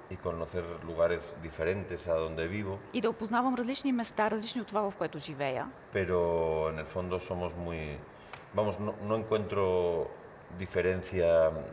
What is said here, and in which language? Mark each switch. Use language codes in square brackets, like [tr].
[es] Y conocer lugares diferentes a donde vivo. [bg] И да опознавам различни места, различни от това, в което живея. [es] Pero en el fondo somos muy... Vamos, no encuentro diferencia...